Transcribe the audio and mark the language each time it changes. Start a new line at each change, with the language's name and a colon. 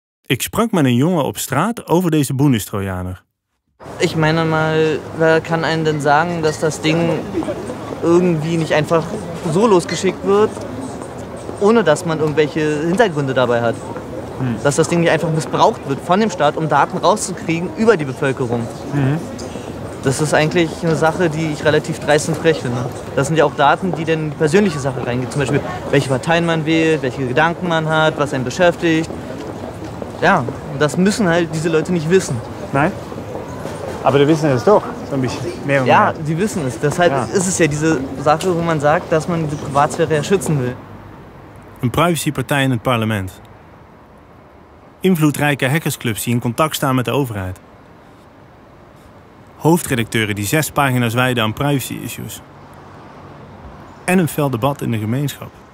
Dutch: Ik sprak met een jongen op straat over deze Bundestrojaner.
German: Ik meine mal, wer kan einen denn sagen, dass das Ding irgendwie nicht einfach so losgeschickt wird, ohne dass man irgendwelche Hintergründe dabei hat? Dass das Ding nicht einfach missbraucht wird von dem Staat, um Daten rauszukriegen über die Bevölkerung. Das ist eigentlich eine Sache, die ich relativ dreist und frech finde. Das sind ja auch Daten, die dann in die persönliche Sache reingehen. Zum Beispiel, welche Parteien man wählt, welche Gedanken man hat, was einen beschäftigt. Ja, das müssen halt diese Leute nicht wissen. Nein? Aber die wissen es doch, so ein bisschen mehr. Ja, die wissen es. Deshalb ist es ja diese Sache, wo man sagt, dass man die Privatsphäre ja schützen will.
Dutch: Eine Privacy-Partei in het Parlement. Invloedrijke hackersclubs, die in Kontakt staan met de Overheid. Hoofdredacteuren, die 6 pagina's wijden aan privacy-issues. En een fel debat in de gemeenschap.